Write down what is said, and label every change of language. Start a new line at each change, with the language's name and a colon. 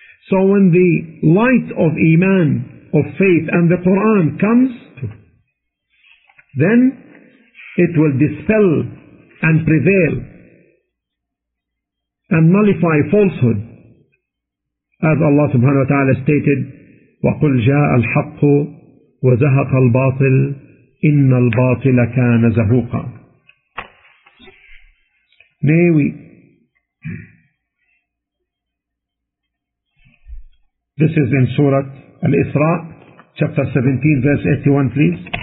English: So when the light of Iman of faith and the Quran comes, then it will dispel and prevail and nullify falsehood. As Allah subhanahu wa ta'ala stated,
Arabic: وَقُلْ جَاءَ الْحَقُّ وَزَهَقَ الْبَاطِلِ إِنَّ الْبَاطِلَ كَانَ زَهُوقًا.
English: May we This is in Surah Al-Isra, chapter 17, verse 81, please.